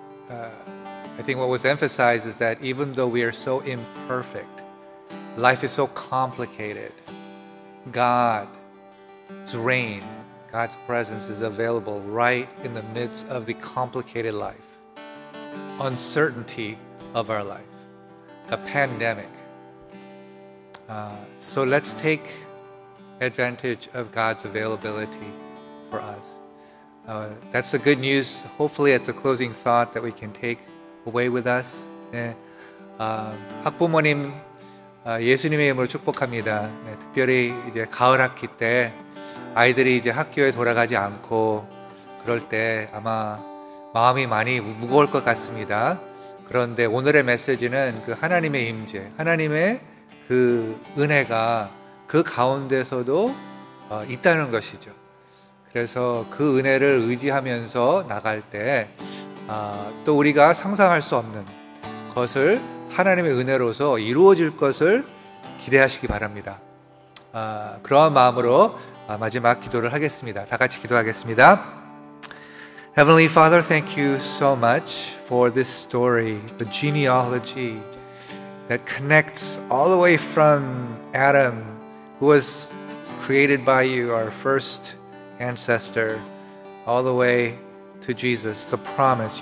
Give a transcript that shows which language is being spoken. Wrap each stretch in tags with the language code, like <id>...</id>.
<en>I think what was emphasized is that even though we are so imperfect, life is so complicated, God's reign, God's presence is available right in the midst of the complicated life, uncertainty of our life, a pandemic. So let's take advantage of God's availability for us. That's the good news. Hopefully it's a closing thought that we can take away with us.</en> <ko>네. 학부모님 예수님의 이름으로 축복합니다. 네, 특별히 이제 가을 학기 때 아이들이 이제 학교에 돌아가지 않고 그럴 때 아마 마음이 많이 무거울 것 같습니다. 그런데 오늘의 메시지는 그 하나님의 임재, 하나님의 그 은혜가 그 가운데서도 있다는 것이죠. 그래서 그 은혜를 의지하면서 나갈 때 또 우리가 상상할 수 없는 것을 하나님의 은혜로서 이루어질 것을 기대하시기 바랍니다. 그러한 마음으로 마지막 기도를 하겠습니다. 다 같이 기도하겠습니다.</ko> <en>Heavenly Father, thank you so much for this story, the genealogy that connects all the way from Adam, who was created by you, our first ancestor, all the way to Jesus, the promise.</en>